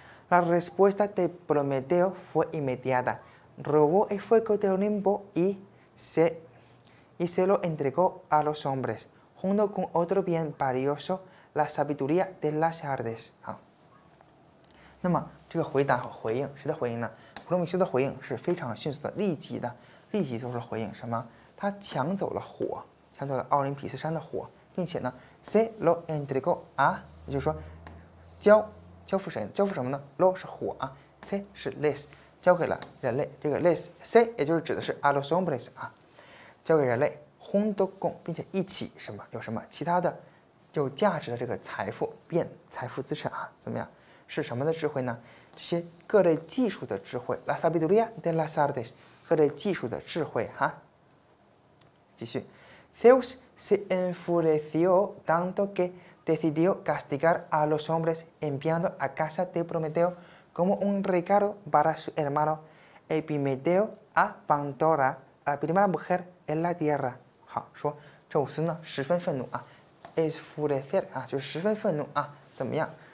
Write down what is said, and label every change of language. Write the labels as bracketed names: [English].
[Spanish] La respuesta de Prometeo fue inmediata. Robó el fuego de Olimpo y se lo entregó a los hombres, junto con otro bien valioso, la sabiduría de las artes. [Chinese] 好。那么这个回答和回应谁的回应呢？普罗米修的回应是非常迅速的，立即的，立即做出回应。什么？他抢走了火，抢走了奥林匹斯山的火，并且呢 ， [Spanish] se lo entregó [Chinese] 啊，也就是说，交付谁？交付什么呢 ？lo 是火啊 ，se 是 les， 交给了人类。这个 les，se 也就是指的是 [Spanish] a los hombres [Chinese] 啊，交给人类 [Spanish] junto con， [Chinese] 并且一起什么？有什么其他的有价值的这个财富变财富资产啊？怎么样？是什么的智慧呢？这些各类技术的智慧 ， [Spanish] la sabiduría de las artes， [Chinese] 各类技术的智慧哈。继续 [Spanish] ，Zeus se enfureció tanto que decidió castigar a los hombres enviando a casa de Prometeo como un regalo para su hermano Epimeteo a Pandora, la primera mujer en la tierra。 [Chinese] 好，说宙斯呢十分愤怒啊 ，enfurecer 啊就是十分愤怒啊，怎么样？